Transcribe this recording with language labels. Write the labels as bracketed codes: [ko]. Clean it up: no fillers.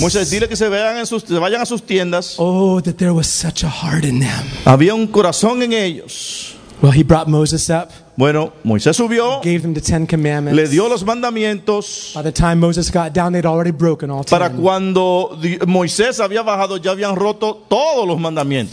[es] Moisés, dile que se vayan a sus tiendas. [en] Oh, that there was such a heart in them. [es] Había un corazón en ellos. [en] Well, he brought Moses up. [es] Bueno, Moisés subió. [en] Gave them the Ten Commandments. [es] Le dio los mandamientos. [en] By the time Moses got down, they'd already broken all 10. [es] Para cuando Moisés había bajado, ya habían roto todos los mandamientos.